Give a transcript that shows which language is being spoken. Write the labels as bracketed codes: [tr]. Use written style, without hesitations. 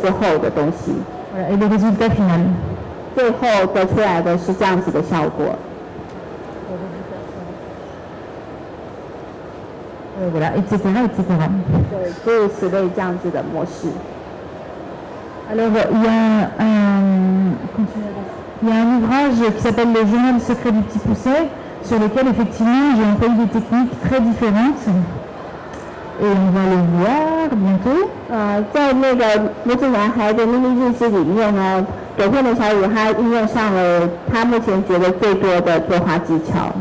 [fr] Voilà, et le résultat final. [zh] 最后得出来的是这样子的效果。 [fr] voilà, etc. [zh] 对，诸如此类这样子的模式。 [fr] Alors, il y a un ouvrage qui s'appelle Le journal secret du petit pousset, sur lequel effectivement j'ai employé des techniques très différentes. Et on va le voir bientôt. Dans le petit [zh] 男孩的秘密日记里面呢，朵特梅小雨他应用上了他目前觉得最多的作画技巧。